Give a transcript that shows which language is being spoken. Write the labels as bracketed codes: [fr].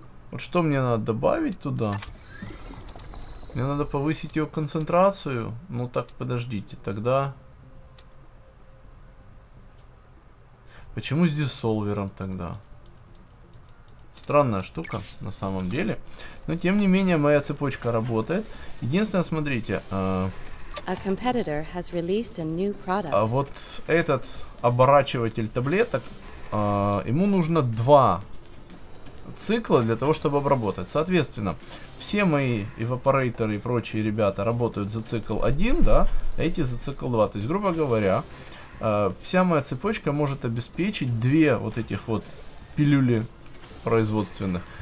[ru] Вот что мне надо добавить туда? Мне надо повысить его концентрацию. Ну так, подождите, тогда... Почему с диссолвером тогда? Странная штука, на самом деле. Но тем не менее, моя цепочка работает. Единственное, смотрите... [en] A competitor has released a new product. [ru] А вот этот оборачиватель таблеток, ему нужно два... цикла для того, чтобы обработать. Соответственно, все мои эвапорейторы и прочие ребята работают за цикл 1, да, а эти за цикл 2. То есть, грубо говоря, вся моя цепочка может обеспечить две вот этих вот пилюли производственных.